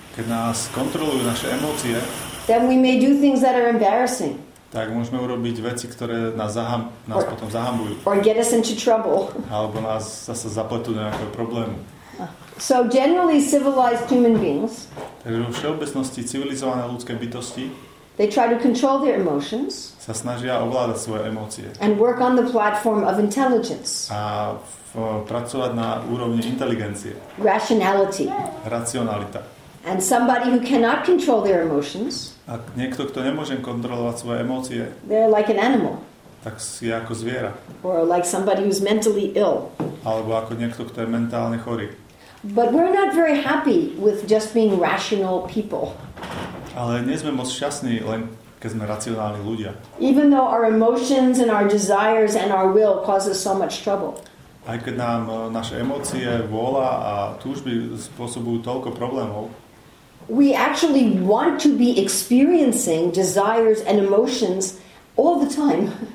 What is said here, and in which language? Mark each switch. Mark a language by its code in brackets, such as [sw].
[sk] keď nás kontrolujú naše emócie, [en] then we may do things that are embarrassing. [sk] Tak môžeme urobiť veci, ktoré nás potom zahambujú. [en] Or get us into trouble. [sk] Alebo nás zase zapletú do nejakého problému. [en] So generally civilized human beings, [sk] takže vo všeobecnosti civilizované ľudské bytosti, [en] they try to control their emotions, [sk] sa snažia ovládať svoje emócie, [en] and work on the platform of intelligence, [sk] a pracovať na úrovni inteligencie, [en] rationality, [sk] racionalita. [en] And somebody who cannot control their emotions, [sk] a niekto, kto nemôže kontrolovať svoje emócie, [en] they're like an animal, [sk] tak si je ako zviera, [en] or like somebody who's mentally ill, [sk] alebo ako niekto, kto je mentálne chorý. [en] But we're not very happy with just being rational people. [sk] Ale nie sme moc šťastní, len keď sme racionálni ľudia. [en] Even though our emotions and our desires and our will causes so much trouble. [sk] Aj keď nám naše emócie, vôľa a túžby spôsobujú toľko problémov. [en] We actually want to be experiencing desires and emotions all the time.